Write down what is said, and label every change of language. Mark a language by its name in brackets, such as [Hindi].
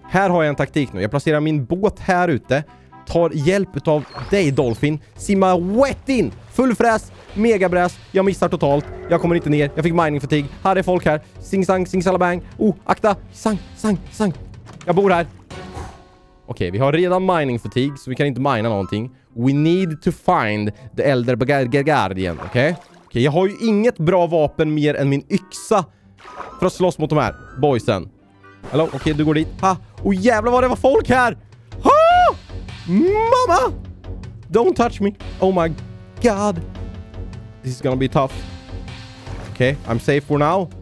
[Swedish] Här har jag en taktik nu. Jag placerar min båt här ute. Tar hjälp av dig, Dolphin. Simma wet in! Full fräs! Megabräs! Jag missar totalt. Jag kommer inte ner. Jag fick mining fatigue. Här är folk här. Sing, sang, sing, salabang. Oh, akta! Sang, sang, sang. Jag bor här. Okej, vi har redan mining fatigue så vi kan inte mina någonting. [English] We need to find the Elder Guardian, okej? [Swedish] Okej, jag har ju inget bra vapen mer än min yxa för att slåss mot de här boysen. Hallå, okej, du går dit. Ha! Oh, jävlar vad det var folk här! [English] Ha! Mamma! Don't touch me! Oh my god! This is gonna be tough. Okej, I'm safe for now.